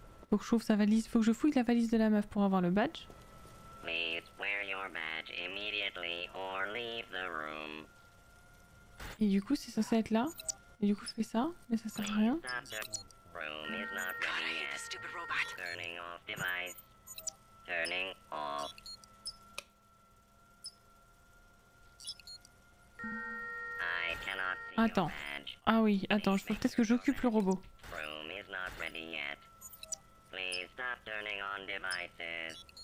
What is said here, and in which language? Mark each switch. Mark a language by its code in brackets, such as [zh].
[fr] Faut que je trouve sa valise, faut que je fouille la valise de la meuf pour avoir le badge. [en] Please wear your badge immediately or leave the room. [fr] Et du coup, c'est censé être là. Et du coup, je fais ça, mais ça sert à rien. [en] Please room is not ready yet. God, I hate the stupid robot. Turning off device. Turning off. I cannot see [fr] attends. [en] Your badge. [fr] Ah oui, attends, je peux peut-être que j'occupe le robot. [en] Room is not ready yet. Please stop turning on devices.